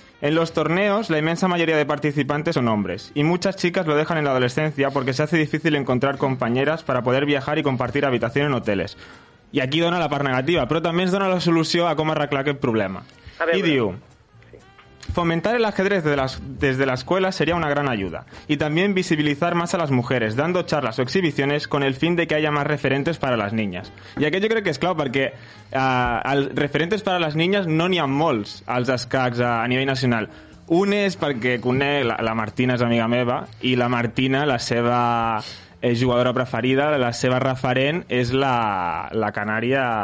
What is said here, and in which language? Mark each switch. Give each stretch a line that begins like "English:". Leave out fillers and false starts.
Spanish: En los torneos, la inmensa mayoría de participantes son hombres, y muchas chicas lo dejan en la adolescencia porque se hace difícil encontrar compañeras para poder viajar y compartir habitación en hoteles.
Catalan: I aquí dona la part negativa, però també ens dona la solució a com arreglar aquest problema. I diu...
Spanish: Fomentar el ajedrez desde la escuela sería una gran ayuda. Y también visibilizar más a las mujeres, dando charlas o exhibiciones con el fin de que haya más referentes para las niñas.
Catalan: I aquest jo crec que és clau, perquè
Spanish: referentes para las niñas
Catalan: no n'hi ha molts als escacs a nivell nacional. Un és perquè conec la Martina, és amiga meva, i la Martina, la seva... És jugadora preferida, la seva referent és la canària...